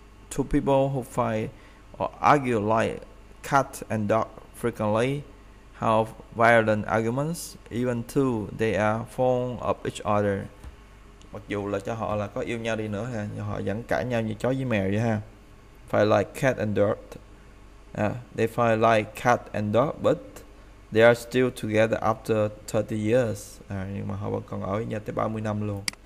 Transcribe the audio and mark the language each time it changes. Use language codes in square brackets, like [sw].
[en] Two people who fight or argue like cat and dog frequently have violent arguments even though they are fond of each other, [vi] mặc dù là cho họ là có yêu nhau đi nữa ha, nhưng họ vẫn cãi nhau như chó với mèo vậy ha. [en] Fight like cat and dog, they fight like cat and dog but they are still together after 30 years. [vi] Nhưng mà họ vẫn còn ở với nhau tới 30 năm luôn.